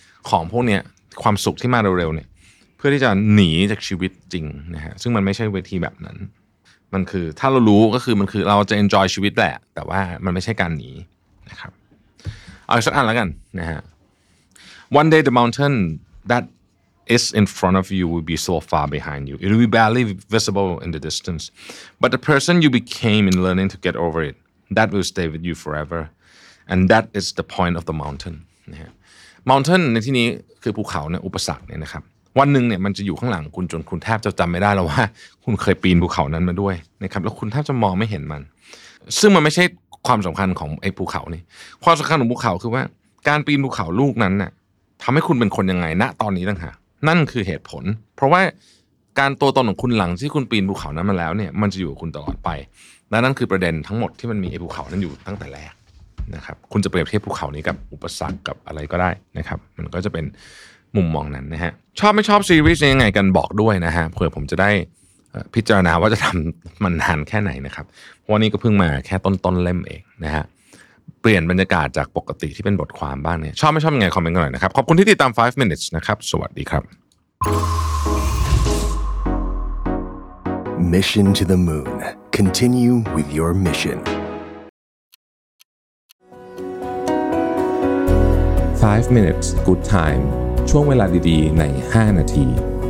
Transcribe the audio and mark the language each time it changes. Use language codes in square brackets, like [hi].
[th] ของพวกเนี้ยความสุขที่มาเร็วๆเนี่ยเพื่อที่จะหนีจากชีวิตจริงนะฮะซึ่งมันไม่ใช่เวทีแบบนั้นมันคือถ้าเรารู้ก็คือมันคือเราจะ enjoy ชีวิตแหละแต่ว่ามันไม่ใช่การหนีนะครับเอาสักอันแล้วกันนะฮะ [en] one day the mountain thatis in front of you will be so far behind you. It will be barely visible in the distance. But the person you became in learning to get over it, that will stay with you forever. And that is the point of the mountain. [th] Mountain ในที่นี้คือภูเขาเนี่ยอุปสรรคเนี่ยนะครับวันหนึ่งเนี่ยมันจะอยู่ข้างหลังคุณจนคุณแทบจะจำไม่ได้แล้วว่าคุณเคยปีนภูเขานั้นมาด้วยนะครับแล้วคุณแทบจะมองไม่เห็นมันซึ่งมันไม่ใช่ความสำคัญของไอ้ภูเขานี่ความสำคัญของภูเขาคือว่าการปีนภูเขาลูกนั้นเนี่ยทำให้คุณเป็นคนยังไงณตอนนี้ต่างหากนั่นคือเหตุผลเพราะว่า การตัวตนของคุณหลังที่คุณปีนภูเขานั้นมาแล้วเนี่ยมันจะอยู่กับคุณตลอดไปและนั่นคือประเด็นทั้งหมดที่มันมีไอ้ภูเขานั้นอยู่ตั้งแต่แรกนะครับคุณจะเปรียบเทียบภูเขานี้กับอุปสรรคกับอะไรก็ได้นะครับมันก็จะเป็นมุมมองนั้นนะฮะชอบไม่ชอบซีรีส์ยังไงกันบอกด้วยนะฮะเผื่อผมจะได้ พิจารณาว่าจะทำมันนานแค่ไหนนะครับวันนี้ก็เพิ่งมาแค่ต้นๆเล่มเองนะฮะเปลี่ยนบรรยากาศจากปกติที่เป็นบทความบ้างเนี่ยชอบไม่ชอบยังไงคอมเมนต์กันหน่อยนะครับขอบคุณที่ติดตาม5 minutes นะครับสวัสดีครับ [en] Mission to the Moon Continue with your mission 5 minutes good time [th] ช่วงเวลาดีๆใน5 นาที